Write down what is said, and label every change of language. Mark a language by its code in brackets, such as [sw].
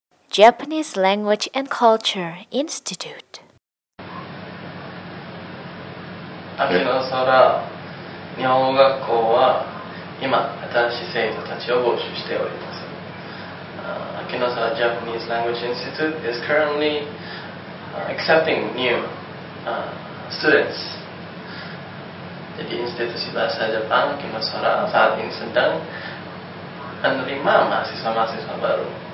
[en] Japanese Language and Culture Institute. [ja] Akinosara, 日本語学校は今新しい生徒たちを募集しております。 [en] Akinosara Japanese Language Institute is currently accepting new students. [id] Jadi institusi bahasa Jepang Akinosara saat ini sedang menerima mahasiswa-mahasiswa baru.